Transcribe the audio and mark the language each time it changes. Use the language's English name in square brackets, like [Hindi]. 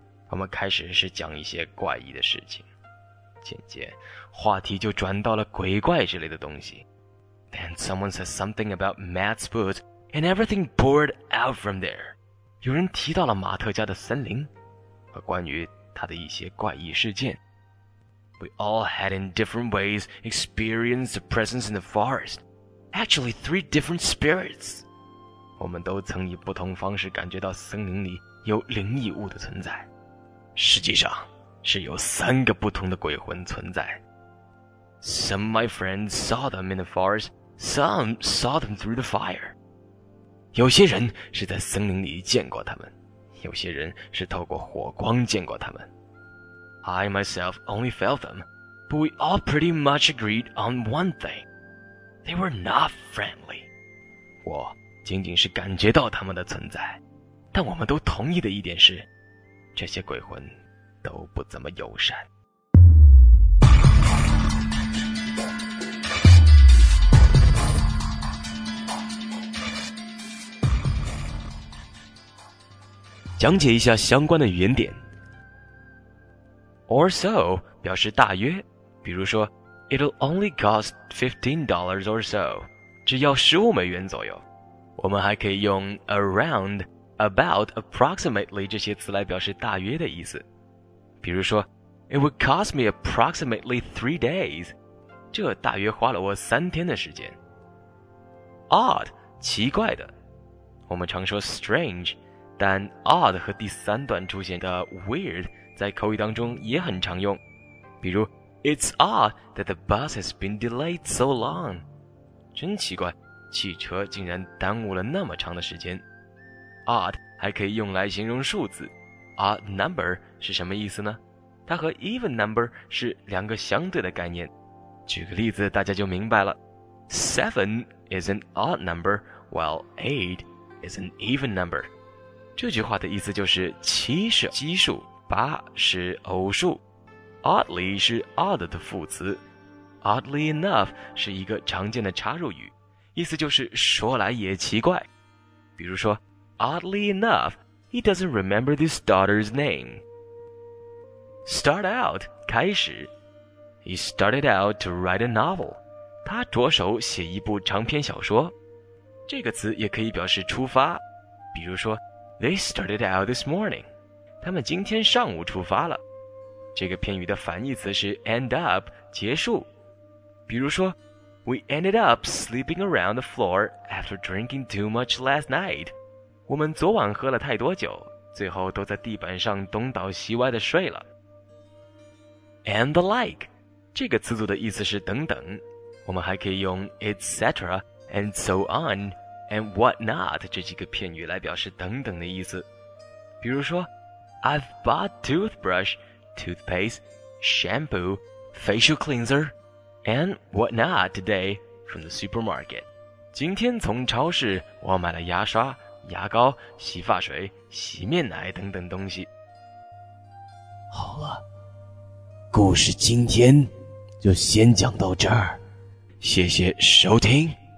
[Chinese] 我们开始是讲一些怪异的事情，渐渐话题就转到了鬼怪之类的东西。 [English] Then someone said something about Matt's boots, and everything poured out from there. [Chinese] 有人提到了马特家的森林和关于他的一些怪异事件。 [English] We all had in different ways experienced the presence in the forest. Actually, 3 different spirits. [Chinese] 我们都曾以不同方式感觉到森林里有灵异物的存在。实际上是有3个不同的鬼魂存在。 [English] Some of my friends saw them in the forest, some saw them through the fire. [Chinese] 有些人是在森林里见过他们，有些人是透过火光见过他们。 [English] I myself only felt them, but we all pretty much agreed on one thing. They were not friendly. [Chinese] 我仅仅是感觉到他们的存在，但我们都同意的一点是，这些鬼魂都不怎么友善。讲解一下相关的语言点。 [English] Or so [Chinese] 表示大约，比如说 [English] It'll only cost $15 or so， [Chinese] 只要15美元左右。我们还可以用 around、about、approximately 这些词来表示大约的意思。比如说 [English] It would cost me approximately 3 days， [Chinese] 这大约花了我3天的时间。 Odd 奇怪的，我们常说 strange， 但 odd 和第三段出现的 weird在口语当中也很常用，比如 [English] It's odd that the bus has been delayed so long. [Chinese] 真奇怪，汽车竟然耽误了那么长的时间。 Odd 还可以用来形容数字。Odd number 是什么意思呢？它和 even number 是两个相对的概念。举个例子，大家就明白了。 [English] 7 is an odd number, while 8 is an even number. [Chinese] 这句话的意思就是7是奇数，八是偶数。 Oddly 是 odd 的副词， Oddly enough 是一个常见的插入语，意思就是说来也奇怪。比如说 [English] Oddly enough, he doesn't remember his daughter's name. Start out [Chinese] 开始， [English] He started out to write a novel. [Chinese] 他着手写一部长篇小说。这个词也可以表示出发，比如说 [English] They started out this morning. [Chinese] 他们今天上午出发了。这个片语的反义词是 end up, 结束。比如说 [English] We ended up sleeping around the floor after drinking too much last night. [Chinese] 我们昨晚喝了太多酒，最后都在地板上东倒西歪的睡了。 [English] And the like, [Chinese] 这个词组的意思是等等，我们还可以用 etc. [English] and so on and what not [Chinese] 这几个片语来表示等等的意思。比如说 [English] I've bought toothbrush, toothpaste, shampoo, facial cleanser, and whatnot today from the supermarket. [Chinese] 今天从超市我买了牙刷、牙膏、洗发水、洗面奶等等东西。好了，故事今天就先讲到这儿，谢谢收听。